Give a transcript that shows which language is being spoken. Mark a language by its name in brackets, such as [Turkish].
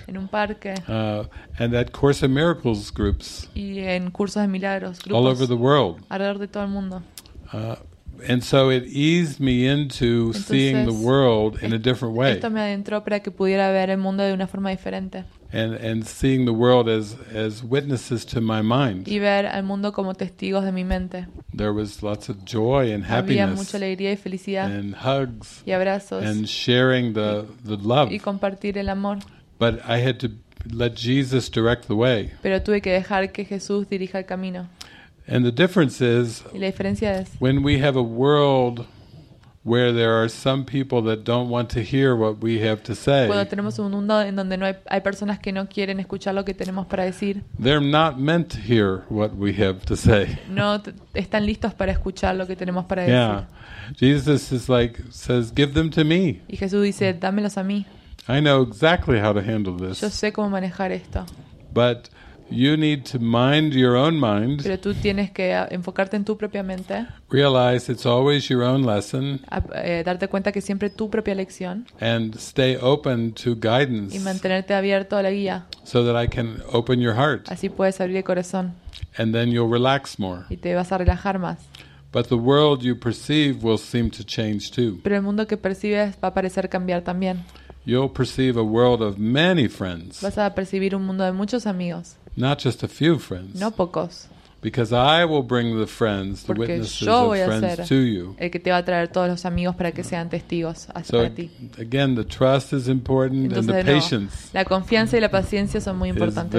[Spanish] en un parque, [English] and at Course in Miracles groups, [Spanish] y en cursos de milagros, [English] all over the world, [Spanish] alrededor de todo el mundo. [English] And so it eased me into [Spanish] entonces, [English] seeing the world in a different way. [Spanish] Esto me adentró para que pudiera ver el mundo de una forma diferente. [English] And seeing the world as witnesses to my mind. [Spanish] Y ver al mundo como testigos de mi mente. [English] There was lots of joy and happiness. [Spanish] Había mucha alegría y felicidad. [English] And hugs. [Spanish] Y abrazos. [English] And sharing the love. [Spanish] Y compartir el amor. [English] But I had to let Jesus direct the way. [Spanish] Pero tuve que dejar que Jesús dirija el camino. [English] And the difference is, [Spanish] y la diferencia es, [English] when we have a world where there are some people that don't want to hear what we have to say. [Spanish] Cuando tenemos un mundo en donde no hay, hay personas que no quieren escuchar lo que tenemos para decir. [English] They're not meant to hear what we have to say. [Spanish] No están listos para escuchar lo que tenemos para decir. [English] Yeah. Jesus is like, says, give them to me. [Spanish] Y Jesús dice, dámelos a mí. [English] I know exactly how to handle this. [Spanish] Yo sé cómo manejar esto. [English] But you need to mind your own mind. [Spanish] Pero tú tienes que enfocarte en tu propia mente. [English] Realize it's always your own lesson. [Spanish] Darte cuenta que siempre tu propia lección. [English] And stay open to guidance. [Spanish] Y mantenerte abierto a la guía. [English] So that I can open your heart. [Spanish] Así puedes abrir el corazón. [English] And then you'll relax more. [Spanish] Y te vas a relajar más. [English] But the world you perceive will seem to change too. [Spanish] Pero el mundo que percibes va a parecer cambiar también. [English] You'll perceive a world of many friends. [Spanish] Vas a percibir un mundo de muchos amigos. [English] Not just a few friends. [Spanish] No pocos. [English] Because I will bring the friends, the witnesses of friends to you. [Spanish] El que te va a traer todos los amigos para que sean testigos hacia [English] so, [Spanish] para ti. [English] Again, the trust is important. [Spanish] Entonces, [English] and the patience. [Spanish] No, la confianza y la paciencia son muy importantes.